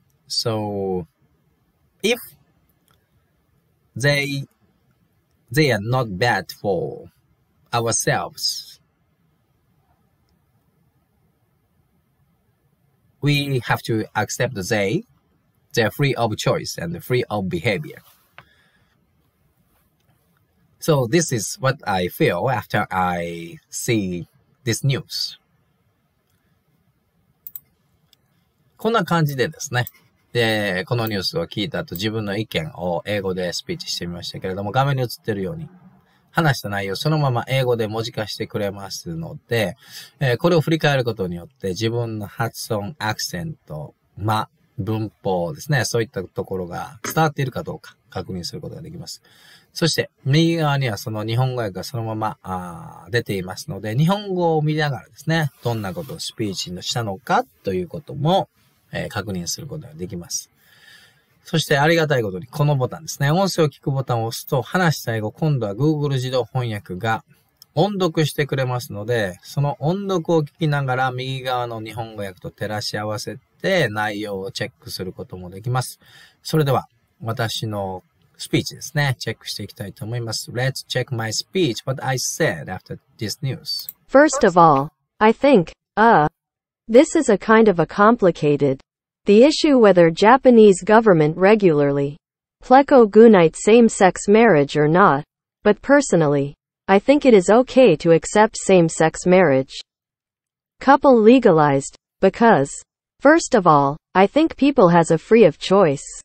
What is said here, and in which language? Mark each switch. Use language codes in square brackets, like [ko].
[en] So if they are not bad for ourselves, we have to accept they're free of choice and free of behavior. So this is what I feel after I see this news. [ja] こんな感じでですね。で、このニュースを聞いた後、自分の意見を英語でスピーチしてみましたけれども、画面に映ってるように、話した内容そのまま英語で文字化してくれますので、これを振り返ることによって、自分の発音、アクセント、文法ですね。そういったところが伝わっているかどうか確認することができます。そして、右側にはその日本語訳がそのまま出ていますので、日本語を見ながらですね、どんなことをスピーチにしたのかということも、確認することができます。そして、ありがたいことに、このボタンですね。音声を聞くボタンを押すと、話した英語、今度は Google 自動翻訳が音読してくれますので、その音読を聞きながら、右側の日本語訳と照らし合わせて、内容をチェックすることもできます。それでは、私のスピーチですね。チェックしていきたいと思います。 [en] Let's check my speech, what I said after this news. First of all, I think, this is a kind of a complicated. The issue whether Japanese government regularly pleco gunite same-sex marriage or not, but personally, I think it is okay to accept same-sex marriage couple legalized, because, first of all, I think people has a free of choice.